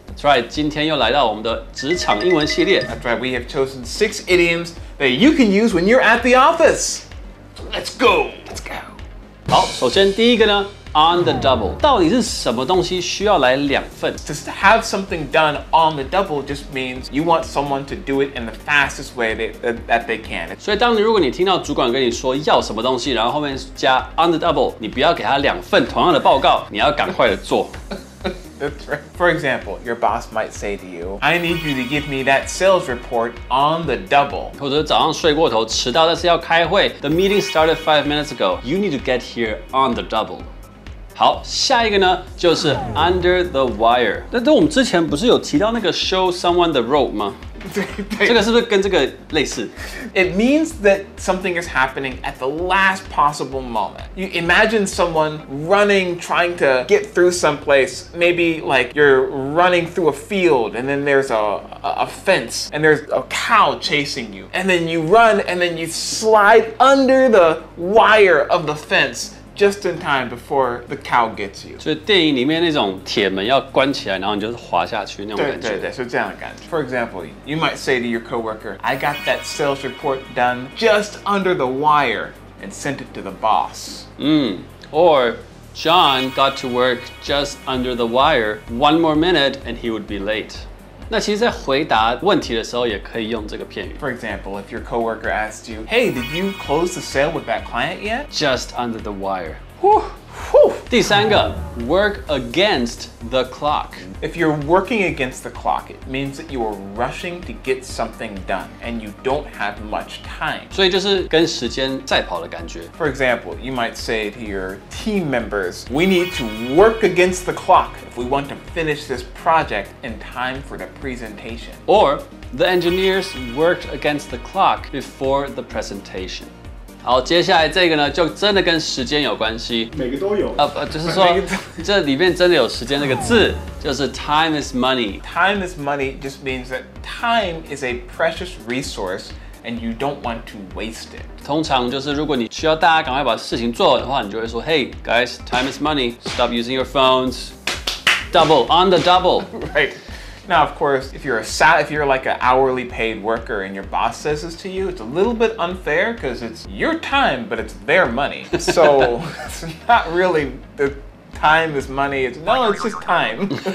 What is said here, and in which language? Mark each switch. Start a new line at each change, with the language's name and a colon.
English: That's right,
Chinese: 今天又来到我们的职场英文系列。
English: That's right, we have chosen six idioms that you can use when you're at the office. Let's go! Let's go!
Chinese: 好，首先第一个呢
English: on the double.
Chinese: 到底是什么东西需要来两份？
English: To have something done on the double just means you want someone to do it in the fastest way that they can.
Chinese: 所以当你如果你听到主管跟你说要什么东西，然后后面加
English: on the double,
Chinese: 你不要给他两份同样的报告，你要赶快的做。
English: For example, your boss might say to you, I need you to give me that sales report on the double.
Chinese: 或者早上睡过头迟到但是要开会
English: The meeting started 5 minutes ago. You need to get here on the double.
Chinese: 好，下一个呢就是
English: under the wire.
Chinese: 那我们之前不是有提到那个
English: show someone the rope
Chinese: 吗？这个是不是跟这个类似
English: It means that something is happening at the last possible moment. You imagine someone running, trying to get through someplace. Maybe like you're running through a field and then there's a fence and there's a cow chasing you. And then you run and then you slide under the wire of the fence. Just in time before the cow gets you.
Chinese: 所以电影里面那种铁门要关起来，然后你就滑下去那种感觉。对对对，是这样的感觉。
English: For example, you might say to your coworker, "I got that sales report done just under the wire and sent it to the boss." Or John got to work just under the wire. One more minute, and he would be late.
Chinese: 那其实在回答问题的时候也可以用这个片语
English: For example, if your coworker asked you Hey, did you close the sale with that client yet? Just under the wire
Chinese: 第三个
English: Work against the clock If you're working against the clock It means that you are rushing to get something done And you don't have much time
Chinese: 所以就是跟时间赛跑的感觉
English: For example, you might say to your team members We need to work against the clock If we want to finish this project In time for the presentation Or the engineers worked against the clock Before the presentation
Chinese: 好，接下来这个呢，就真的跟时间有关系。每个都有就是说，这里面真的有时间这个字，就是
English: time is money。 Time is money just means that time is a precious resource, and you don't want to waste it。
Chinese: 通常就是如果你需要大家赶快把事情做完的话，你就会说 ，
English: Hey guys, time is money. Stop using your phones. Double on the double. Right. Now, of course, if you're like an hourly paid worker and your boss says this to you, it's a little bit unfair because it's your time, but it's their money. So it's not really the time is money. It's just time.